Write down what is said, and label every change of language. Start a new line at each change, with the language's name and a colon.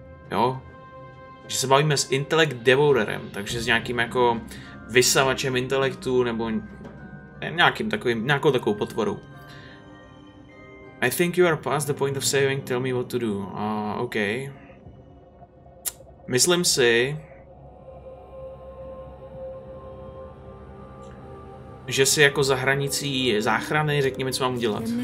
Czech: Jo, že se bavíme s intellect devourerem, takže s nějakým jako vysavačem intelektu, nebo nějakým takovým, nějakou takovou potvorou.
English: I think you are past the point of saving, tell me what to do. OK.
Czech: Myslím si, že si jako za hranicí záchrany, řekněme, co mám udělat.